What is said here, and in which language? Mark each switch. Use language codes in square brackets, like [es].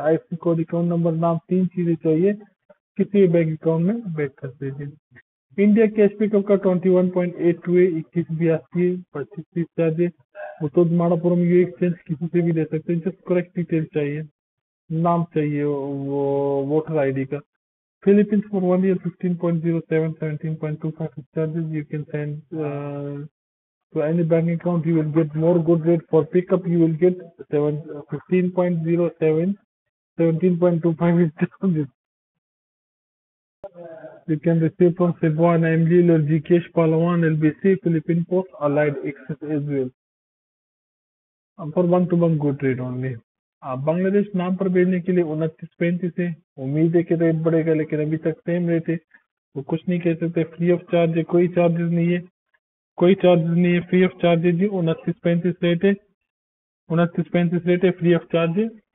[ur] آئی C code, account number, نام, 3 چیزیں چاہیے. کسی بھی بینک اکاؤنٹ میں بیچ سکتے ہیں. انڈیا کیش پک اپ کا 21.82 ہے, 21 82 ہے, 25 30 چارج ہے. وہ تو ماڑا پورم یو ایکسچینج کسی سے بھی لے سکتے ہیں. جسٹ کریکٹ ڈیٹیل چاہیے, نام چاہیے وہ ووٹر آئی ڈی کا. [en] Philippines for 1 year 15.07, 17.25 charges. You can send to any bank account, you will get more good rate. For pickup you will get 15.07, 17.25. You can receive from Cebuan, Amlil or Gcash, Palawan, LBC, Philippine Post, Allied Access as well. For one-to-one good rate only. [ur] بنگلہ دیش نام پر بھیجنے کے لیے 29.35 ہے. امید ہے کہ rate بڑھے گا, لیکن ابھی تک سیم ریٹ ہے. وہ کچھ نہیں کہہ سکتے, فری آف چارج ہے, کوئی چارجز نہیں ہے, کوئی چارجز نہیں ہے, فری آف چارج ہے جی. 29.35 ریٹ ہے, 29.35 ریٹ ہے, فری آف چارج ہے.